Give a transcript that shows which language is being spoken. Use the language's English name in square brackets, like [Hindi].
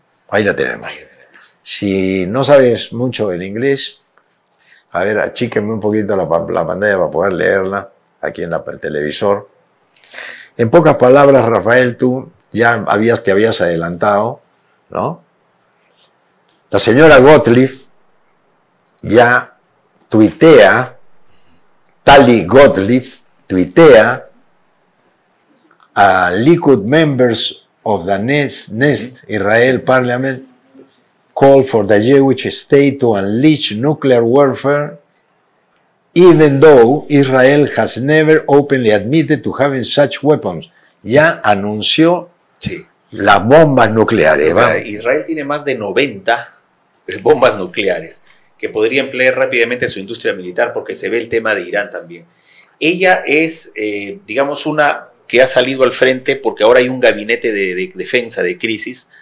[Spanish] Ahí la tenemos. Si no sabes mucho en inglés, a ver, achíquenme un poquito la pantalla para poder leerla aquí en el televisor. En pocas palabras, Rafael, tú ya te habías adelantado, ¿no? La señora Gottlieb ya tuitea, Tali Gottlieb tuitea a [English] Likud members of the Knesset Israel Parliament call for the Jewish state to unleash nuclear warfare, even though Israel has never openly admitted to having such weapons. [Spanish] Ya anunció las bombas nucleares. Israel tiene más de 90 bombas nucleares que podría emplear rápidamente su industria militar, porque se ve el tema de Irán también. Ella es, digamos, una que ha salido al frente porque ahora hay un gabinete de defensa, de crisis.